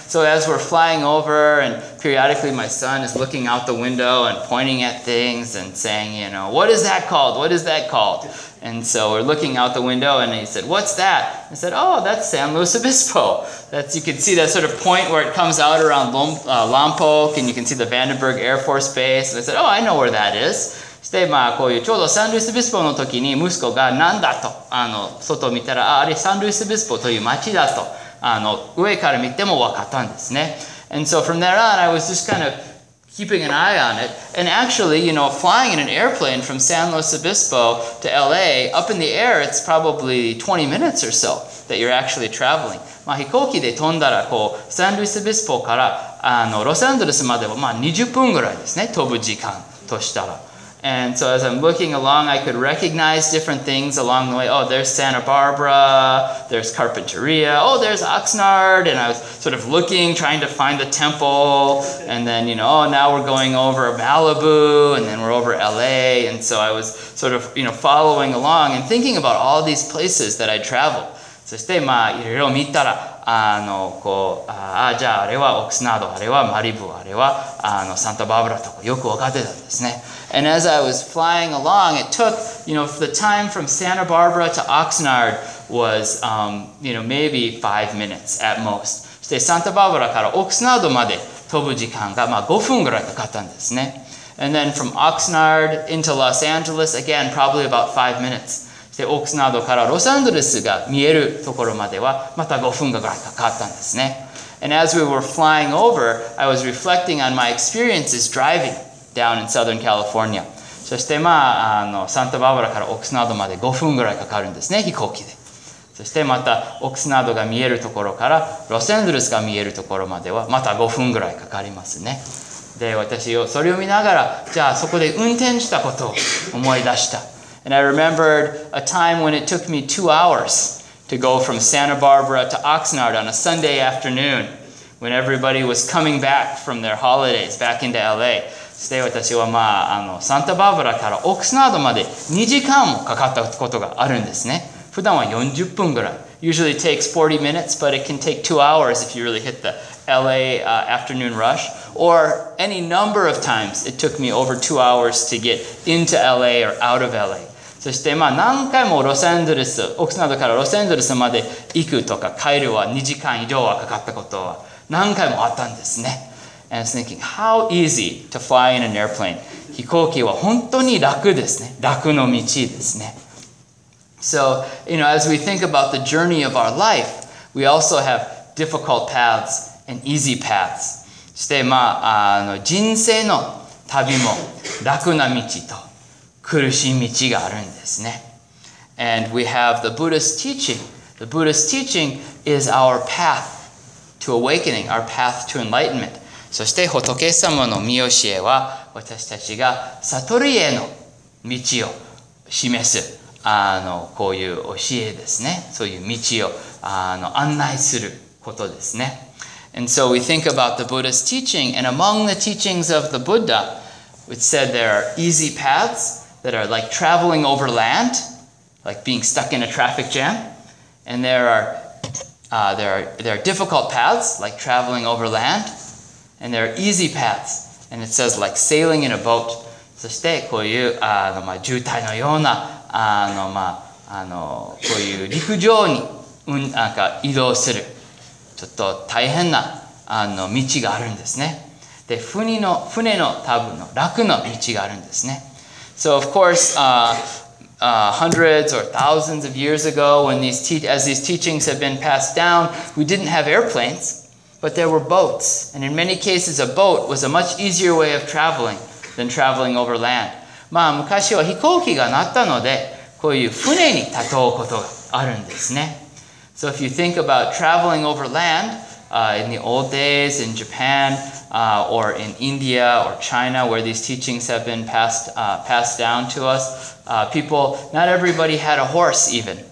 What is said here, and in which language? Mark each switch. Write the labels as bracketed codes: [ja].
[en] So as we're flying over, and periodically my son is looking out the window and pointing at things and saying, what is that called? What is that called? And so we're looking out the window and he said, what's that? I said, oh, that's San Luis Obispo. That's, you can see that sort of point where it comes out around Lompoc, and you can see the Vandenberg Air Force Base. And I said, oh, I know where that is. [ja] そして、こういうちょうどサンルイス・ビスポの時に息子が何だと、外を見たら、あれサンルイス・ビスポという街だと。上から見ても分かったんですね。 [en] And so from there on, I was just kind of keeping an eye on it. And actually, flying in an airplane from San Luis Obispo to LA, up in the air, it's probably 20 minutes or so that you're actually traveling. [ja] 飛行機で飛んだら、こう、サンルイス・ビスポから、ロサンゼルスまでは、20分ぐらいですね、飛ぶ時間としたら。 [en] And so as I'm looking along, I could recognize different things along the way. Oh, there's Santa Barbara, there's Carpinteria, oh, there's Oxnard. And I was sort of looking, trying to find the temple. And then, now we're going over Malibu, and then we're over LA. And so I was sort of, following along and thinking about all these places that I traveled. [ja] そして、いろいろ見たら、じゃああれはオクスナード、あれはマリブ、あれはサンタバーブラとかよく分かってたんですね。 [en] And as I was flying along, it took, the time from Santa Barbara to Oxnard was, maybe 5 minutes at most. [ja] そして、サンタバーブラからオクスナードまで飛ぶ時間が5分ぐらいかかったんですね。 [en] And then from Oxnard into Los Angeles, again, probably about 5 minutes. [ja] で、オークスナードからロサンゼルスが見えるところまではまた5分ぐらいかかったんですね。 [en] And as we were flying over, I was reflecting on my experiences driving down in Southern California. [ja] そして、サンタバーバラからオークスナードまで5分ぐらいかかるんですね、飛行機で。そして、またオークスナードが見えるところからロサンゼルスが見えるところまではまた5分ぐらいかかりますね。で、私をそれを見ながら、じゃあそこで運転したことを思い出した。 [en] And I remembered a time when it took me 2 hours to go from Santa Barbara to Oxnard on a Sunday afternoon when everybody was coming back from their holidays back into LA. [ja] そして私は、サンタバーバラからオクスナードまで2時間もかかったことがあるんですね。普段は40分ぐらい。 [en] Usually takes 40 minutes, but it can take 2 hours if you really hit the LA afternoon rush. Or any number of times it took me over 2 hours to get into LA or out of LA. [ja] そして何回もロサンゼルス、オクスナードからロサンゼルスまで行くとか帰るは2時間以上はかかったことは何回もあったんですね。 [en] And I was thinking, how easy to fly in an airplane. [ja] 飛行機は本当に楽ですね。楽の道ですね。 [en] So, as we think about the journey of our life, We also have difficult paths and easy paths. [ja] そして、まあ、人生の旅も楽な道と苦しい道があるんですね。 [en] And we have the Buddhist teaching. The Buddhist teaching is our path to awakening, our path to enlightenment. [ja] そして仏様の御教えは私たちが悟りへの道を示す、こういう教えですね。そういう道を案内することですね。 [en] And so we think about the Buddha's teaching, and among the teachings of the Buddha, it said there are easy paths that are like traveling over land, like being stuck in a traffic jam, and there are difficult paths, like traveling over land, and there are easy paths, and it says like sailing in a boat. [ja] そしてこういう渋滞のようなこういう陸上に移動する。ちょっと大変な道があるんですね。で、船の多分の楽の道があるんですね。 [en] So of course, hundreds or thousands of years ago, as these teachings have been passed down, we didn't have airplanes, but there were boats. And in many cases, a boat was a much easier way of traveling than traveling over land. [ja] まあ、昔は飛行機がなったので、こういう船に例うことがあるんですね。 [en] So if you think about traveling over land, in the old days in Japan, or in India or China, where these teachings have been passed down to us, people, not everybody had a horse even.